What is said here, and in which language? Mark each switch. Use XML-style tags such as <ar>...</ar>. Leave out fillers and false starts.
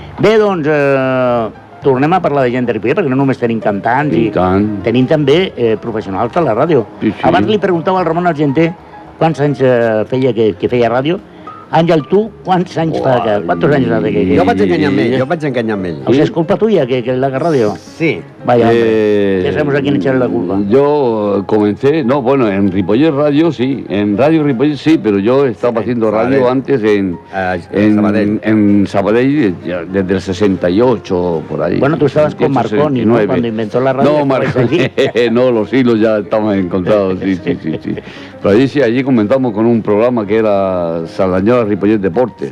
<ca>Bé, doncs, tornem a parlar de gent de Ripollet, perquè no només tenim cantants, i tant. Tenim també professionals de la ràdio. Sí. Abans li preguntava al Ramon Argenter quants anys feia que feia ràdio. Àngel, tu quants anys fa? Quants anys fa? Jo vaig enganyar amb ell, O sigui, és culpa tuya que la ràdio? Sí.</ca> <es>Vaja, ja sabemos a quién echarle la culpa. Jo comencé, no, bueno, en Ripollet Ràdio, sí. En Ràdio Ripollet, sí,</es> <ca>però jo estava</ca> <es>haciendo ràdio antes en Sabadell. En Sabadell,</es> <ca>des del</ca> <es>68 o por ahí. Bueno, tu estabas con Marconi, ¿no? Cuando inventó la ràdio. No, Marconi, no, los hilos ya estaban encontrados, sí. Pero allí sí, allí comenzamos con un programa que era Saldañola Ripollet Deportes.</es>